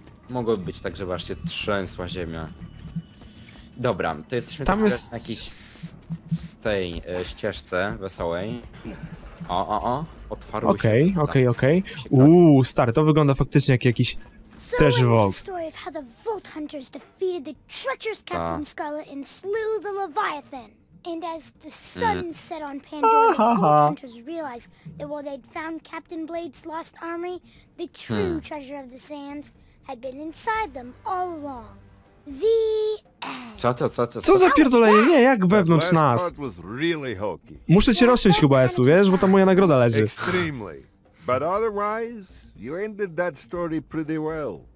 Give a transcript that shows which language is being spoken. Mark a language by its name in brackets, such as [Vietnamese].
[Polish] Mogłoby być tak, że właśnie trzęsła ziemia. Dobra, to jesteśmy tam jest... na jakiejś z tej ścieżce wesołej. O, otwarło się. Okej. Uuu, stary, to wygląda faktycznie jak jakiś też Volt. [English] So is the story of how the Volt Hunters defeated the treacherous Captain Scarlet and slew the Leviathan. And as the sun set on Pandora, the Volt Hunters realized that while they'd found Captain Blade's lost army, the true treasure of the sands had been inside them all along. The end. [Polish] Co za pierdolenie? Nie, jak wewnątrz nas? Muszę cię rozciąć chyba, Esu, wiesz, bo to moja nagroda leży. [English] Extremely. But otherwise, you ended that story pretty well.